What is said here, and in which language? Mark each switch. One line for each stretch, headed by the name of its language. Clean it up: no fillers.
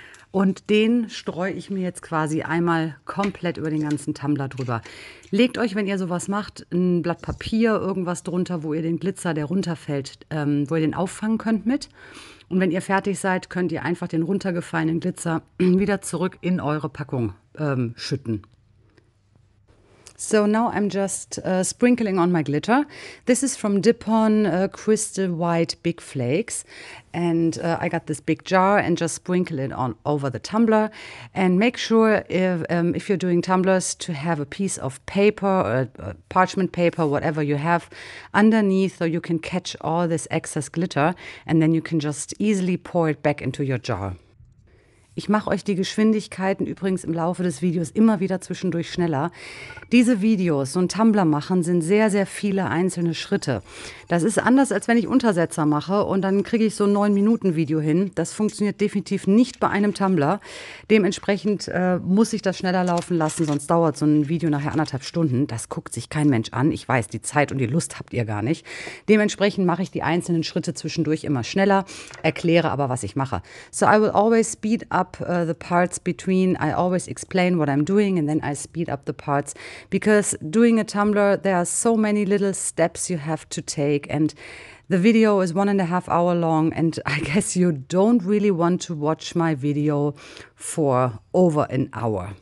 German: Und den streue ich mir jetzt quasi einmal komplett über den ganzen Tumbler drüber. Legt euch, wenn ihr sowas macht, ein Blatt Papier, irgendwas drunter, wo ihr den Glitzer, der runterfällt, wo ihr den auffangen könnt mit. Und wenn ihr fertig seid, könnt ihr einfach den runtergefallenen Glitzer wieder zurück in eure Packung schütten.
English: So now I'm just sprinkling on my glitter. This is from Dippon Crystal White Big Flakes. And I got this big jar and just sprinkle it on over the tumbler. And make sure if you're doing tumblers to have a piece of paper or parchment paper, whatever you have underneath, so you can catch all this excess glitter. And then you can just easily pour it back into your jar.
German: Ich mache euch die Geschwindigkeiten übrigens im Laufe des Videos immer wieder zwischendurch schneller. Diese Videos, so ein Tumbler machen, sind sehr, sehr viele einzelne Schritte. Das ist anders, als wenn ich Untersetzer mache und dann kriege ich so ein 9-Minuten-Video hin. Das funktioniert definitiv nicht bei einem Tumbler. Dementsprechend muss ich das schneller laufen lassen, sonst dauert so ein Video nachher 1,5 Stunden. Das guckt sich kein Mensch an. Ich weiß, die Zeit und die Lust habt ihr gar nicht. Dementsprechend mache ich die einzelnen Schritte zwischendurch immer schneller, erkläre aber, was ich mache.
English: So I will always speed up the parts between. I always explain what I'm doing and then I speed up the parts because doing a tumbler there are so many little steps you have to take and the video is 1.5 hours long and I guess you don't really want to watch my video for over an hour.